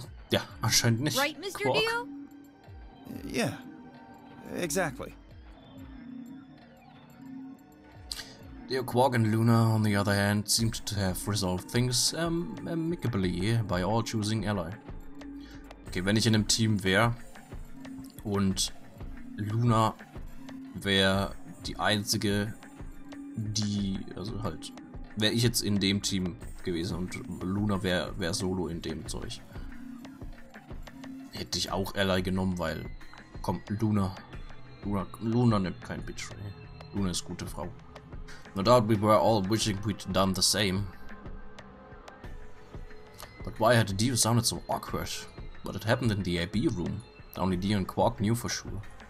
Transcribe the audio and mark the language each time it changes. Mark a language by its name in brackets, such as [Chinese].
[German] Ja, anscheinend nicht. [English] Right, Mr. Quark. Dio? Yeah. Exactly. Dio Quark and Luna, on the other hand, seemed to have resolved things amicably by all choosing Ally. [German] Okay, wenn ich in einem Team wäre und Luna wäre die einzige, die, also halt, wäre ich jetzt in dem Team gewesen und Luna wäre solo in dem Zeug, hätte ich auch Ally genommen, weil, komm, Luna nimmt kein Betray. Luna ist gute Frau. [English] No doubt we were all wishing we'd done the same. But why had Dio sounded so awkward? But it happened in the AB room. Only Dio and Quark knew for sure.